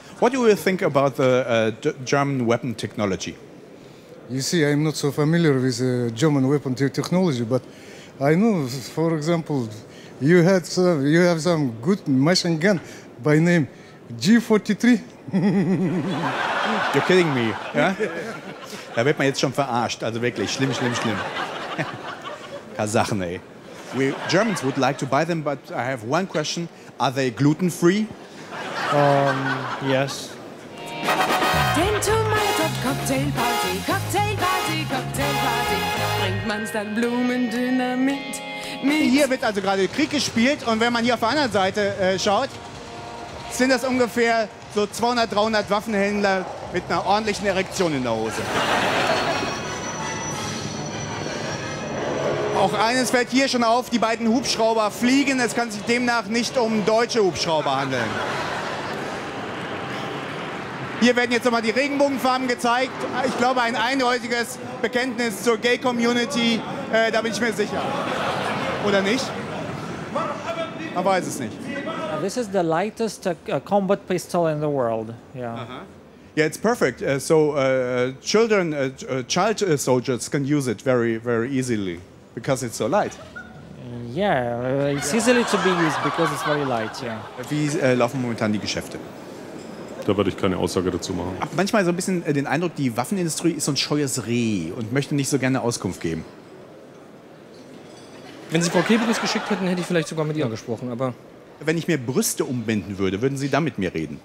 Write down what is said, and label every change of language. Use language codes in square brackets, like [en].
[en] What do you think about the German weapon technology? You see, I'm not so familiar with German weapon technology, but I know, for example, you have some good machine gun by name G43. You're kidding me, ja? [de] Da wird man jetzt schon verarscht, also wirklich, schlimm, schlimm, schlimm. Kasachen, ey. [en] We Germans would like to buy them, but I have one question. Are they gluten-free? Yes. [de] Denn [en] to my top cocktail party, cocktail party, cocktail party, [de] bringt man's dann Blumendynamit mit. Hier wird also gerade Krieg gespielt und wenn man hier auf der anderen Seite schaut, sind das ungefähr so 200, 300 Waffenhändler mit einer ordentlichen Erektion in der Hose. Auch eines fällt hier schon auf, die beiden Hubschrauber fliegen. Es kann sich demnach nicht um deutsche Hubschrauber handeln. Hier werden jetzt nochmal die Regenbogenfarben gezeigt. Ich glaube, ein eindeutiges Bekenntnis zur Gay-Community, da bin ich mir sicher. Oder nicht? Man weiß es nicht. [en] This is the lightest combat pistol in the world. Yeah. Uh-huh. Yeah, it's perfect. So child soldiers can use it very, very easily because it's so light. It's easily to be used because it's very light. Yeah. [de] Wie laufen momentan die Geschäfte? Da würde ich keine Aussage dazu machen. Ach, manchmal so ein bisschen den Eindruck, die Waffenindustrie ist so ein scheues Reh und möchte nicht so gerne Auskunft geben. Wenn Sie Frau Kebitz geschickt hätten, hätte ich vielleicht sogar mit ihr gesprochen, aber. Wenn ich mir Brüste umbinden würde, würden Sie dann mit mir reden?